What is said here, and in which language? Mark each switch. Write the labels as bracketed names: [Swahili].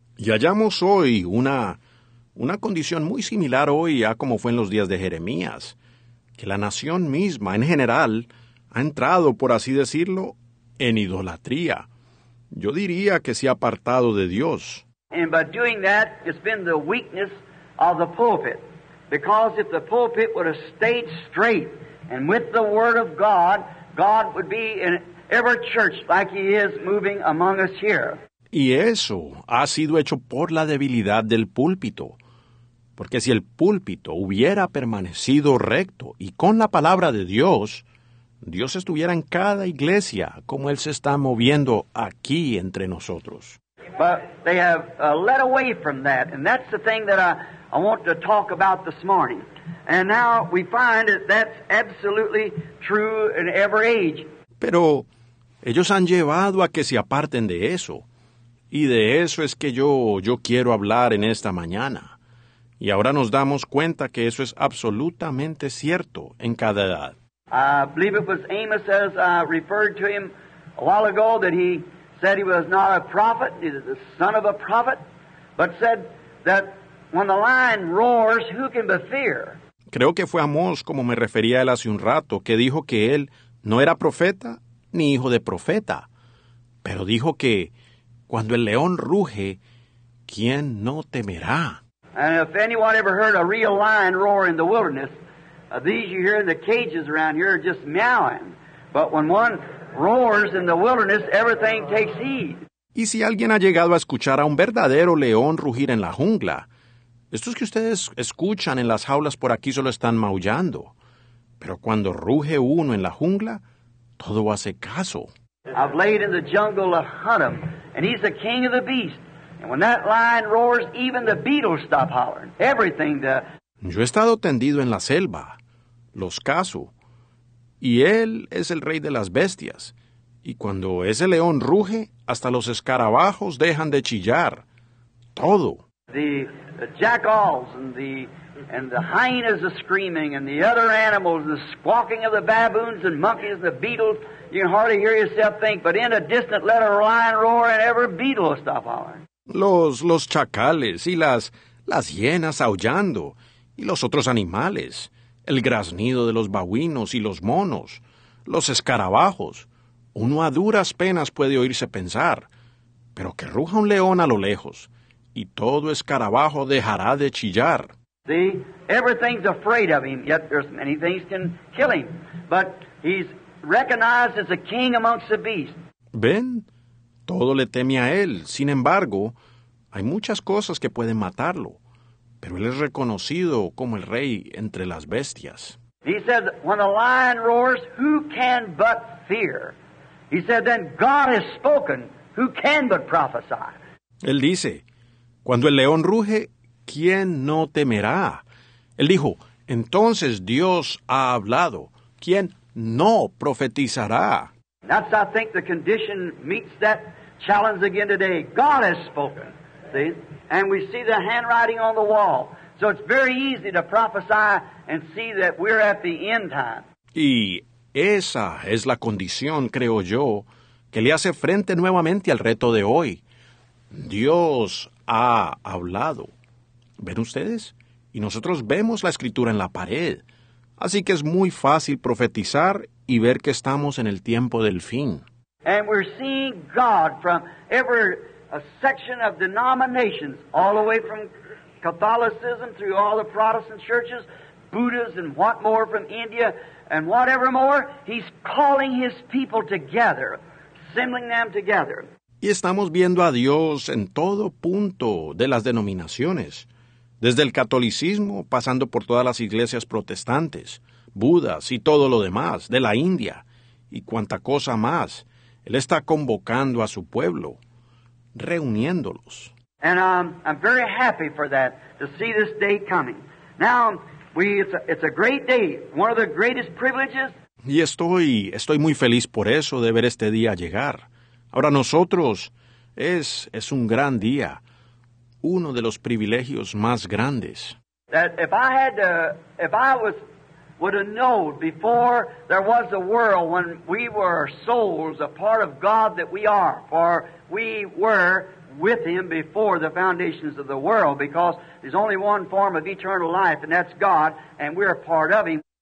[Spanish] Y hallamos hoy una condición muy similar hoy a como fue en los días de Jeremías, que la nación misma, en general, ha entrado, por así decirlo, en idolatría. Yo diría que se ha apartado de Dios. [English] And by doing that, it's been the weakness of the pulpit. Because if the pulpit would have stayed straight and with the Word of God, God would be in every church like He is moving among us here. [Spanish] Y eso ha sido hecho por la debilidad del púlpito. Porque si el púlpito hubiera permanecido recto y con la palabra de Dios, Dios estuviera en cada iglesia como Él se está moviendo aquí entre nosotros. [English] But they have led away from that, and that's the thing that I want to talk about this morning. And now we find that that's absolutely true in every age. [Spanish] Pero ellos han llevado a que se aparten de eso. Y de eso es que yo quiero hablar en esta mañana. Y ahora nos damos cuenta que eso es absolutamente cierto en cada edad. [English] I believe it was Amos, as I referred to him a while ago, that he said he was not a prophet, he was the son of a prophet, but said that when the lion roars, who can be fear? [Spanish] Creo que fue Amós, como me refería él hace un rato, que dijo que él no era profeta ni hijo de profeta, pero dijo que cuando el león ruge, ¿quién no temerá? [English] And if anyone ever heard a real lion roar in the wilderness, these you hear in the cages around here are just meowing. But when one roars in the wilderness, everything takes heed. [Spanish] Y si alguien ha llegado a escuchar a un verdadero león rugir en la jungla, estos que ustedes escuchan en las jaulas por aquí solo están maullando. Pero cuando ruge uno en la jungla, todo hace caso. [English] I've laid in the jungle to hunt him, and he's the king of the beast. And when that lion roars, even the beetles stop hollering. Everything the... [Spanish] Yo he estado tendido en la selva, los caso, y él es el rey de las bestias. Y cuando ese león ruge, hasta los escarabajos dejan de chillar. Todo. [English] The jackals and the hyenas are screaming, and the other animals, the squawking of the baboons and monkeys, the beetles. You can hardly hear yourself think, but in a distant let a lion roar, and every beetle will stop hollering. [Spanish] Los chacales y las hienas aullando, y los otros animales, el graznido de los babuinos y los monos, los escarabajos. Uno a duras penas puede oírse pensar, pero que ruja un león a lo lejos, y todo escarabajo dejará de chillar. [English] See, everything's afraid of him, yet there's many things can kill him. But he's recognized as a king amongst the beasts. [Spanish] ¿Ven? Todo le teme a él. Sin embargo, hay muchas cosas que pueden matarlo. Pero él es reconocido como el rey entre las bestias. [English] He said, when the lion roars, who can but fear? He said, then God has spoken, who can but prophesy? [Spanish] Él dice, Cuando el león ruge, ¿quién no temerá? Él dijo, entonces Dios ha hablado. ¿Quién no profetizará? [English] That's, I think, the condition meets that challenge again today. God has spoken. See? And we see the handwriting on the wall. So it's very easy to prophesy and see that we're at the end time. [Spanish] Y esa es la condición, creo yo, que le hace frente nuevamente al reto de hoy. Dios ha hablado. ¿Ven ustedes? Y nosotros vemos la escritura en la pared. Así que es muy fácil profetizar y ver que estamos en el tiempo del fin. [English] And we're seeing God from every section of denominations, all the way from Catholicism through all the Protestant churches, Buddhas and what more from India and whatever more, he's calling his people together, assembling them together. [Spanish] Y estamos viendo a Dios en todo punto de las denominaciones, desde el catolicismo, pasando por todas las iglesias protestantes, Budas y todo lo demás, de la India, y cuanta cosa más. Él está convocando a su pueblo, reuniéndolos. [English] And I'm very happy for that, to see this day coming. Now, it's a great day, one of the greatest privileges. [Spanish] Y estoy muy feliz por eso, de ver este día llegar. Ahora nosotros, es un gran día, uno de los privilegios más grandes. [English] That if I would have known before there was a world when we were souls, a part of God that we are, for we were with him before the foundations of the world, because there's only one form of eternal life, and that's God, and we're a part of him.